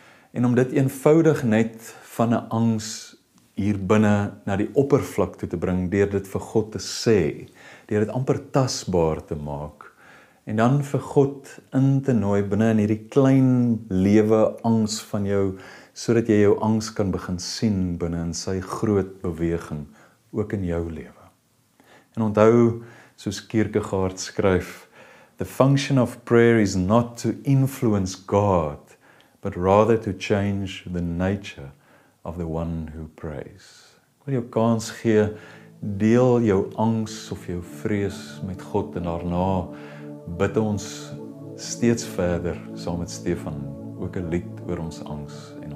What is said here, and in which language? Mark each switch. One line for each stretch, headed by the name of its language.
Afrikaans: En om dit eenvoudig net van 'n angs hier binne na die oppervlak toe te bring, deur dit vir God te sê, deur dit amper tasbaar te maak, en dan vir God in te nooi binne in hierdie klein lewe angs van jou, sodat jy jou angs kan begin sien binne in sy groot beweging, ook in jou lewe. En onthou, soos Kierkegaard skryf,
English: "The function of prayer is not to influence God, but rather to change the nature of the one who prays."
Afrikaans: Ek wil jou kans gee, deel jou angs of jou vrees met God en daarna bid ons steeds verder, saam met Stefan, ook 'n lied oor ons angs.